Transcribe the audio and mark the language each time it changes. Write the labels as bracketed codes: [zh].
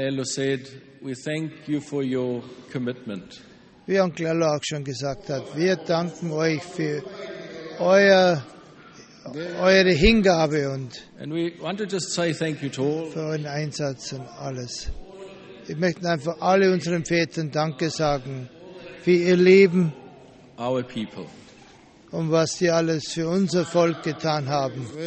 [en] Ello said, we thank you for your commitment. [de] Wie Uncle Ello auch schon gesagt hat, wir danken euch für eure Hingabe und [en] and we want to just say thank you to all. [de] Für euren Einsatz und alles. Ich möchte einfach alle unseren Vätern Danke sagen für ihr Leben [en] our people. [de] Und was sie alles für unser Volk getan haben.